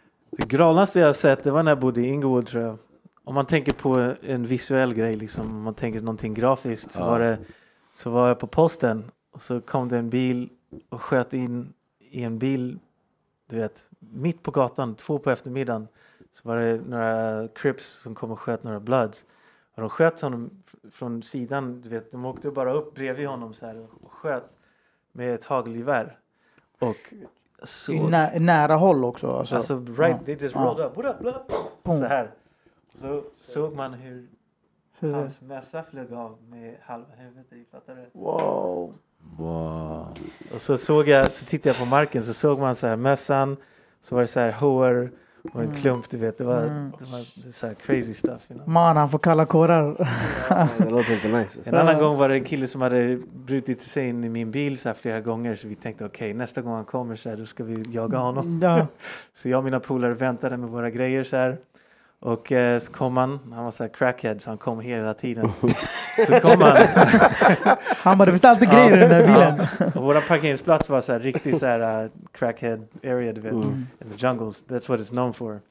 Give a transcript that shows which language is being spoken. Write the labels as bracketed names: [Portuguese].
[Swedish] Det gralnaste jag har sett, det var när jag bodde i Inglewood, tror jag. Om man tänker på en visuell grej, liksom, om man tänker någonting grafiskt, så var jag på posten och så kom det en bil och sköt in i en bil, du vet, mitt på gatan, 2 på eftermiddagen, så var det några Crips som kom och sköt några Bloods. Och de sköt honom från sidan, du vet, de åkte bara upp bredvid honom såhär, och sköt med ett hagelgevär. Och så nära håll också, alltså, [English] right, they just rolled up, what up, blah, poof, [Swedish] så här. Så såg man hur hans mässa flög av med halva huvudet, fattar du? [English] Wow. [Swedish] Och så tittade jag på marken, så såg man så här mässan, så var det så här hår och en klump, du vet, det var så här [English] crazy stuff, you know? [Swedish] Man, han får kalla kårar. Det låter inte nice. En annan gång var det en kille som hade brutit sig in i min bil så här flera gånger, så vi tänkte okej, nästa gång han kommer så här, då ska vi jaga honom. Så jag och mina polare väntade med våra grejer så här, och så kom han var så här crackhead, så han kom hela tiden. Så kom han. Han hade visst alltid grejer i den där bilen. Och vår parkeringsplats var så här, riktigt så här crackhead area, du vet. [English] In the jungles, that's what it's known for.